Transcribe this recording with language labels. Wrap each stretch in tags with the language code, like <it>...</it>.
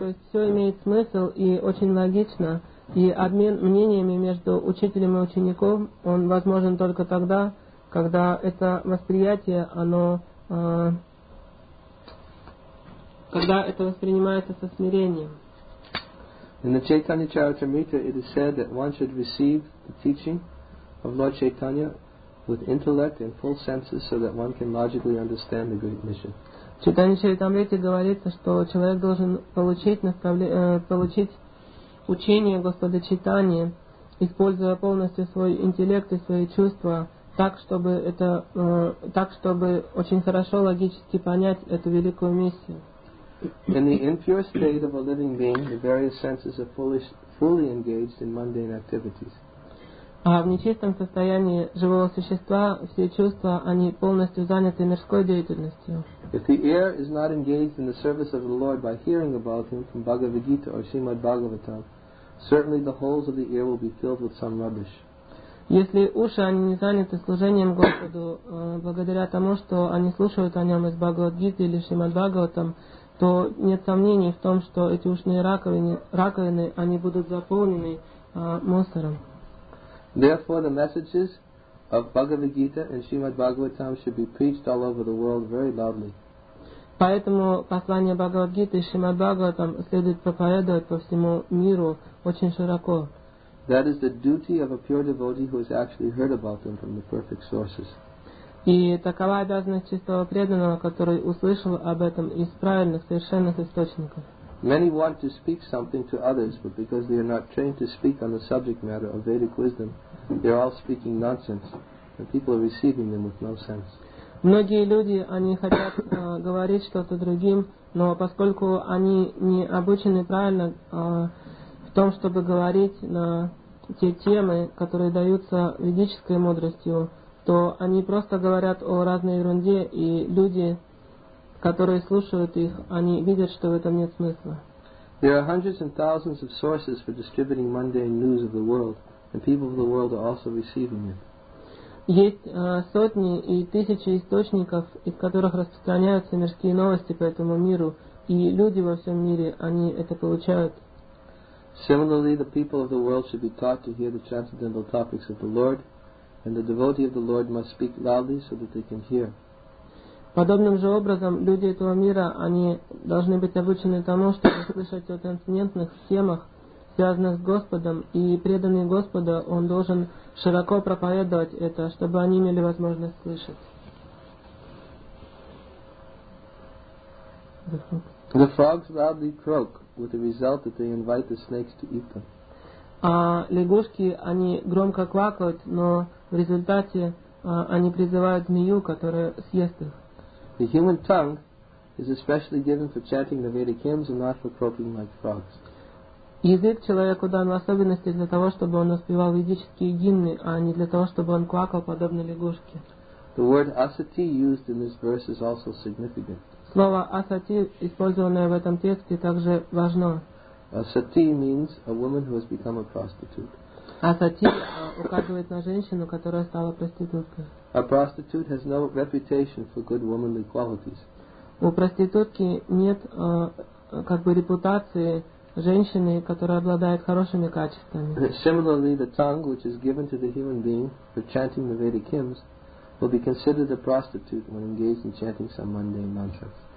<ru>Все имеет смысл и очень логично. И обмен мнениями между учителем и учеником, он возможен только тогда, когда это восприятие, когда это воспринимается со смирением.</ru> <en>In the Chaitanya Charitamrita it is said that one should receive the teaching of Lord Chaitanya with intellect and full senses so that one can logically understand the great mission.</en> <ru>В Chaitanya Charitamrita говорится, что человек должен получить учение Господа Чайтаньи, используя полностью свой интеллект и свои чувства, так чтобы очень хорошо логически понять эту великую миссию.</ru> <en>In the impure state of a living being, the various senses are fully engaged in mundane activities.</en> <ru>А в нечистом состоянии живого существа все чувства, они полностью заняты мирской деятельностью.</ru> <en>If the ear is not engaged in the service of the Lord by hearing about Him from Bhagavad Gita or Srimad Bhagavatam, certainly the holes of the ear will be filled with some rubbish.</en> <ru>Если уши, они не заняты служением Господу, благодаря тому, что они слушают о Нем из Бхагавад-гиты или Шримад-Бхагаватам, то нет сомнений в том, что эти ушные раковины, они будут заполнены мусором.</ru> <en>Therefore, the messages of Bhagavad-gita and Shrimad-Bhagavatam should be preached all over the world very loudly.</en> <ru>Поэтому послание Бхагавад-гиты и Шримад-Бхагаватам следует проповедовать по всему миру очень широко.</ru> <en>That is the duty of a pure devotee who has actually heard about them from the perfect sources.</en> <ru>И такова обязанность чистого преданного, который услышал об этом из правильных, совершенных источников.</ru> <en>Many want to speak something to others, but because they are not trained to speak on the subject matter of Vedic wisdom, they are all speaking nonsense, and people are receiving them with no sense.</en> <ru>Многие люди, они хотят говорить что-то другим, но поскольку они не обучены правильно в том, чтобы говорить на те темы, которые даются ведической мудростью, то они просто говорят о разной ерунде, и люди, которые слушают их, они видят, что в этом нет смысла.</ru> <en>There are hundreds and thousands of sources for distributing mundane news of the world, and people of the world are also receiving it.</en> <ru>Есть сотни и тысячи источников, из которых распространяются мирские новости по этому миру, и люди во всем мире, они это получают.</ru> <en>Similarly, the people of the world should be taught to hear the transcendental topics of the Lord, and the devotee of the Lord must speak loudly so that they can hear.</en> <ru>Подобным же образом, люди этого мира, они должны быть обучены тому, чтобы слышать о трансцендентных схемах, связанных с Господом, и преданный Господа, он должен широко проповедовать это, чтобы они имели возможность слышать.</ru> <en>The frogs loudly croak, with the result that they invite the snakes to eat them.</en> <ru>А лягушки, они громко квакают, но в результате они призывают змею, которая съест их.</ru> <en>The human tongue is especially given for chanting the Vedic hymns and not for croaking like frogs.</en> <ru>Язык человеку дан в особенности для того, чтобы он успевал ведические гимны, а не для того, чтобы он квакал подобно лягушке.</ru> <en>The word asati used in this verse is also significant.</en> <ru>Слово асати, использованное в этом тексте, также важно.</ru> <en>Asati means a woman who has become a prostitute.</en> <ru>Асати указывает на женщину, которая стала проституткой.</ru> <en>A prostitute has no reputation for good womanly qualities.</en> <ru>У проститутки нет как бы репутации женщины, которая обладает хорошими качествами.</ru> <en>Similarly, the tongue, which is given to the human being for chanting the Vedic hymns, will be considered a prostitute when engaged in chanting some mundane mantras.</en>